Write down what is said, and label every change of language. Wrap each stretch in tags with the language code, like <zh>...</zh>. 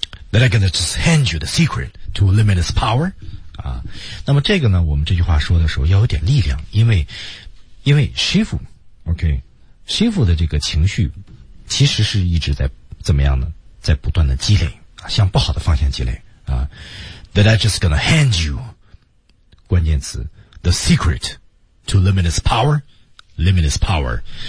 <en>That I'm gonna just hand you the secret to limitless power?</en> <zh>啊，那么这个呢，我们这句话说的时候要有点力量，因为师傅 ，OK， 师傅的这个情绪其实是一直在怎么样呢？在不断的积累啊，向不好的方向积累啊。</zh> <en>That I'm just gonna hand you 关键词 the secret to limitless power, limitless power.</en>